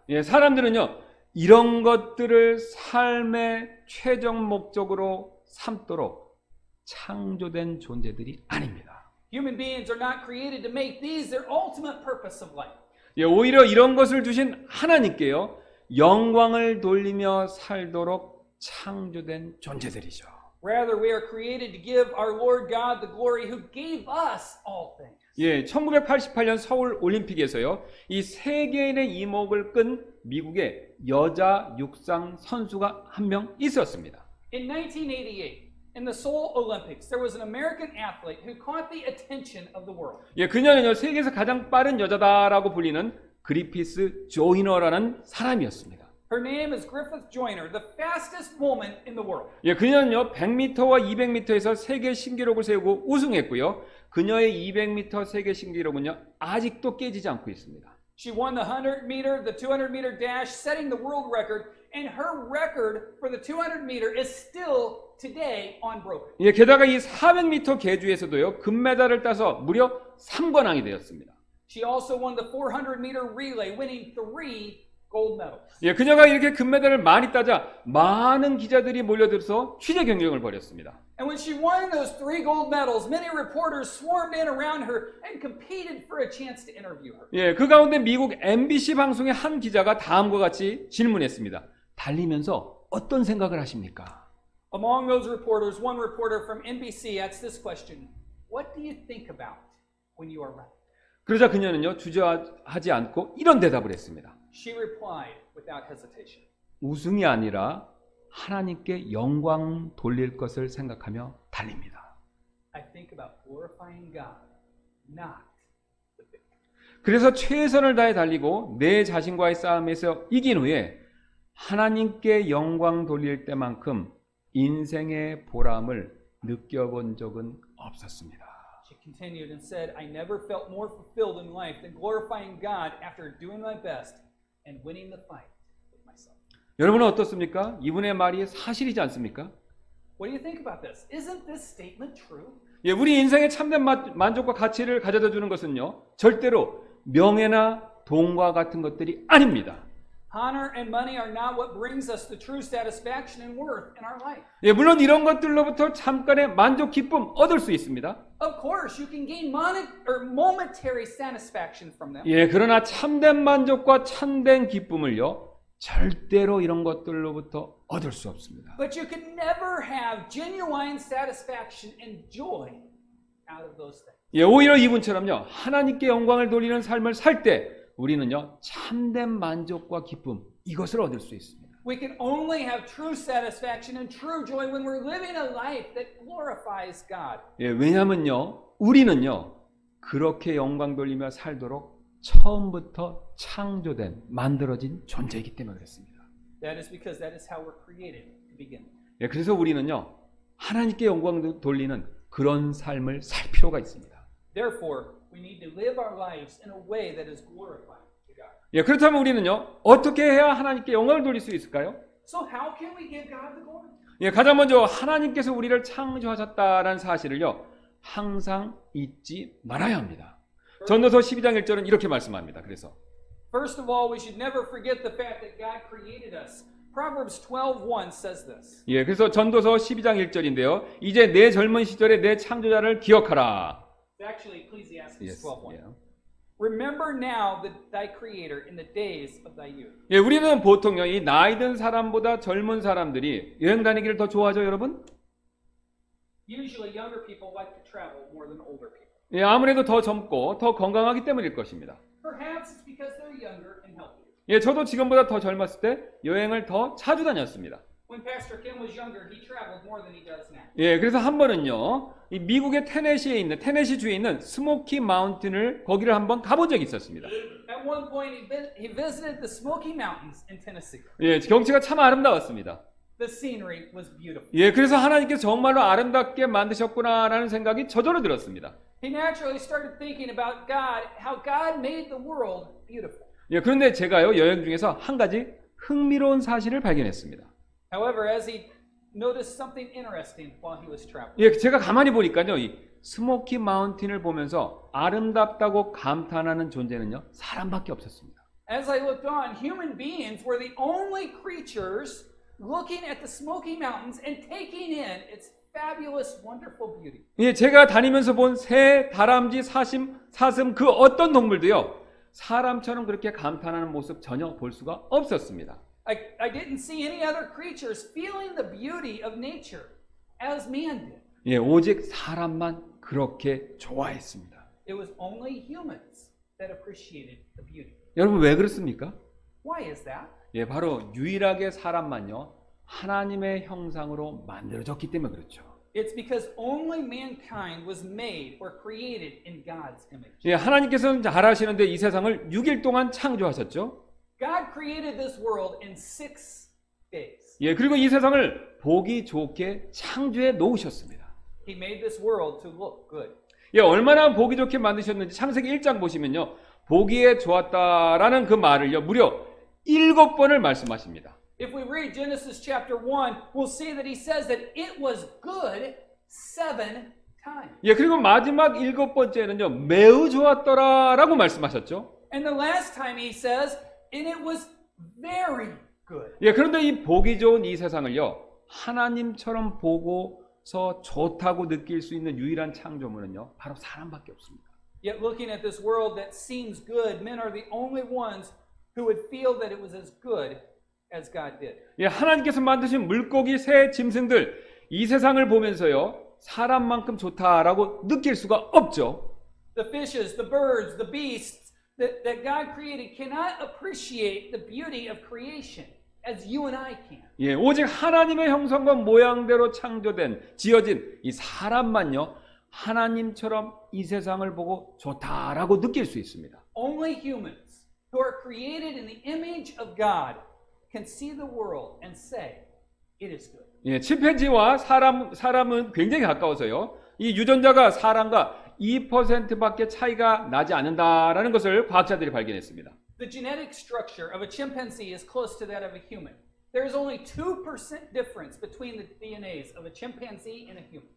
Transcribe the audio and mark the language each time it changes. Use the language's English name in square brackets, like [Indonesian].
[Korean] 예, 사람들은요. 이런 것들을 삶의 최종 목적으로 삼도록 창조된 존재들이 아닙니다. [English] Human beings are not created to make these their ultimate purpose of life. [Korean] 예, 오히려 이런 것을 주신 하나님께요. 영광을 돌리며 살도록 창조된 존재들이죠. [English] Rather, we are created to give our Lord God the glory who gave us all things. [Korean] 예, 1988년 서울 올림픽에서요. 이 세계인의 이목을 끈 미국의 여자 육상 선수가 한 명 있었습니다. [English] In 1988 In the Seoul Olympics, there was an American athlete who caught the attention of the world. [Korean] 예, 그녀는요 세계에서 가장 빠른 여자다라고 불리는 그리피스 조이너라는 사람이었습니다. [English] Her name is Griffith Joyner, the fastest woman in the world. [Korean] 예, 그녀는요 100m와 200m에서 세계 신기록을 세우고 우승했고요. 그녀의 200m 세계 신기록은요 아직도 깨지지 않고 있습니다. [English] She won the 100m, the 200m dash, setting the world record. And her record for the 200 meter is still today unbroken. [Korean] 예, 게다가 이 400m 계주에서도요 금메달을 따서 무려 3관왕이 되었습니다. [English] She also won the 400 meter relay, winning 3 gold medals. [Korean] 예, 그녀가 이렇게 금메달을 많이 따자 많은 기자들이 몰려들어서 취재 경쟁을 벌였습니다. [English] And when she won those 3 gold medals, many reporters swarmed in around her and competed for a chance to interview her. [Korean] 예, 그 가운데 미국 MBC 방송의 한 기자가 다음과 같이 질문했습니다. 달리면서 어떤 생각을 하십니까? [English] Among those reporters, one reporter from NBC asked this question. What do you think about when you are running? [Korean] 그러자 그녀는요, 주저하지 않고 이런 대답을 했습니다. [English] She replied without hesitation. [Korean] 우승이 아니라 하나님께 영광 돌릴 것을 생각하며 달립니다. [English] I think about glorifying God, not the victory. [Korean] 그래서 최선을 다해 달리고 내 자신과의 싸움에서 이긴 후에 하나님께 영광 돌릴 때만큼 인생의 보람을 느껴본 적은 없었습니다. [English] She continued and said, I never felt more fulfilled in life than glorifying God after doing my best and winning the fight with myself. [Korean] 여러분은 어떻습니까? 이분의 말이 사실이지 않습니까? [English] What do you think about this? Isn't this statement true? [Korean] 예, 우리 인생의 참된 만족과 가치를 가져다 주는 것은요. 절대로 명예나 돈과 같은 것들이 아닙니다. [English] Honor and money are not what brings us the true satisfaction and worth in our life. [Korean] 예, 물론 이런 것들로부터 잠깐의 만족 기쁨 얻을 수 있습니다. [English] Of course, you can gain momentary satisfaction from them. [Korean] 예, 그러나 참된 만족과 참된 기쁨을요. 절대로 이런 것들로부터 얻을 수 없습니다. [English] But you can never have genuine satisfaction and joy out of those things. [Korean] 예, 오히려 이분처럼요. 하나님께 영광을 돌리는 삶을 살 때 우리는요. 참된 만족과 기쁨 이것을 얻을 수 있습니다. [English] We can only have true satisfaction and true joy when we're living a life that glorifies God. [Korean] 예, 왜냐면요. 우리는요. 그렇게 영광 돌리며 살도록 처음부터 창조된 만들어진 존재이기 때문에 그렇습니다. [English] That is because that is how we're created to begin. [Korean] 예, 그래서 우리는요. 하나님께 영광 돌리는 그런 삶을 살 필요가 있습니다. [English] Therefore, we need to live our lives in a way that is glorifying to God. [Korean] 예, 그렇다면 우리는요. 어떻게 해야 하나님께 영광을 돌릴 수 있을까요? [English] So how can we give God the glory? [Korean] 예, 가장 먼저 하나님께서 우리를 창조하셨다라는 사실을요. 항상 잊지 말아야 합니다. 전도서 12장 1절은 이렇게 말씀합니다. 그래서 [English] First of all, we should never forget the fact that God created us. Proverbs 12:1 says this. [Korean] 예, 그래서 전도서 12장 1절인데요. 이제 내 젊은 시절에 내 창조자를 기억하라. [English] Actually, Ecclesiastes 12:1. Yeah. Remember now the thy creator in the days of thy youth. [Korean] 예, 우리는 보통요. 이 나이 든 사람보다 젊은 사람들이 여행 다니기를 더 좋아하죠, 여러분? [English] Usually younger people like to travel more than older people. [Korean] 예, 아무래도 더 젊고 더 건강하기 때문일 것입니다. [English] Perhaps it's because they're younger and healthier. [Korean] 예, 저도 지금보다 더 젊었을 때 여행을 더 자주 다녔습니다. [English] When Pastor Kim was younger, he traveled more than he does now. [Korean] 예, 그래서 한 번은요. 이 미국의 테네시에 있는 테네시 주에 있는 스모키 마운틴을 거기를 한번 가본 적이 있었습니다. [English] At one point he visited the Smoky Mountains in Tennessee. [Korean] 예, 경치가 참 아름다웠습니다. [English] The scenery was beautiful. [Korean] 예, 그래서 하나님께서 정말로 아름답게 만드셨구나라는 생각이 저절로 들었습니다. [English] He naturally started thinking about God, how God made the world beautiful. [Korean] 예, 그런데 제가요, 여행 중에서 한 가지 흥미로운 사실을 발견했습니다. [English] However, as he noticed something interesting while he was traveling. [Korean] 예, 제가 가만히 보니까요, 이 스모키 마운틴을 보면서 아름답다고 감탄하는 존재는요, 사람밖에 없었습니다. [English] As I looked on, human beings were the only creatures looking at the Smoky Mountains and taking in its fabulous, wonderful beauty. [Korean] 예, 제가 다니면서 본 새, 다람쥐, 사슴 그 어떤 동물도요 사람처럼 그렇게 감탄하는 모습 전혀 볼 수가 없었습니다. [English] I didn't see any other creatures feeling the beauty of nature as man did. [Korean] 예, 오직 사람만 그렇게 좋아했습니다. [English] It was only humans that appreciated the beauty. [Korean] 여러분 왜 그렇습니까? [English] Why is that? [Korean] 예, 바로 유일하게 사람만요. 하나님의 형상으로 만들어졌기 때문에 그렇죠. [English] It's because only mankind was made or created in God's image. [Korean] 예, 하나님께서는 잘 아시는데 이 세상을 6일 동안 창조하셨죠. [English] God created this world in 6 days. [Korean] 예, 그리고 이 세상을 보기 좋게 창조해 놓으셨습니다. [English] He made this world to look good. [Korean] 예, 얼마나 보기 좋게 만드셨는지 창세기 1장 보시면요. 보기에 좋았다라는 그 말을요. 무려 일곱 번을 말씀하십니다. [English] If we read Genesis chapter 1, we'll see that he says that it was good 7 times. [Korean] 예, 그리고 마지막 일곱 번째는요. 매우 좋았더라라고 말씀하셨죠. [English] And the last time he says and it was very good. [Korean] 예, 그런데 이 보기 좋은 이 세상을요. 하나님처럼 보고서 좋다고 느낄 수 있는 유일한 창조물은요. 바로 사람밖에 없습니다. [English] Yet looking at this world that seems good, men are the only ones who would feel that it was as good as God did. [Korean] 예, 하나님께서 만드신 물고기, 새, 짐승들 이 세상을 보면서요 사람만큼 좋다라고 느낄 수가 없죠. [English] The fishes, the birds, the beasts that God created cannot appreciate the beauty of creation as you and I can. [Korean] 예, 오직 하나님의 형상과 모양대로 창조된 지어진 이 사람만요 하나님처럼 이 세상을 보고 좋다라고 느낄 수 있습니다. [English] Only humans. Who are created in the image of God can see the world and say it is good. [Korean] 예, 침팬지와 사람은 굉장히 가까워서요. 이 유전자가 사람과 2%밖에 차이가 나지 않는다라는 것을 과학자들이 발견했습니다. [English] The genetic structure of a chimpanzee is close to that of a human. There is only 2% difference between the DNAs of a chimpanzee and a human.